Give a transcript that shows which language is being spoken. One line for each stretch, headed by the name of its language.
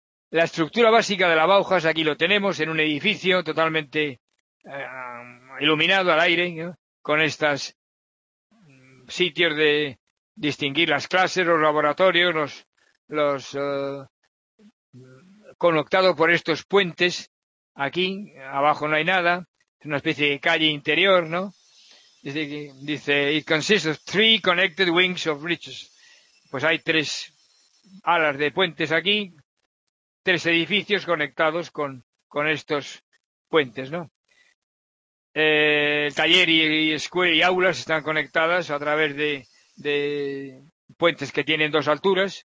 Spanish: La estructura básica de la Bauhaus, aquí lo tenemos, en un edificio totalmente iluminado al aire, ¿no?, con estos sitios de distinguir las clases, los laboratorios, los conectado por estos puentes. Aquí abajo no hay nada, es una especie de calle interior, ¿no?
English: Dice, it consists of three connected wings of bridges.
Spanish: Pues hay tres alas de puentes aquí, tres edificios conectados con estos puentes, ¿no? Taller y escuela y aulas están conectadas a través de puentes que tienen dos alturas.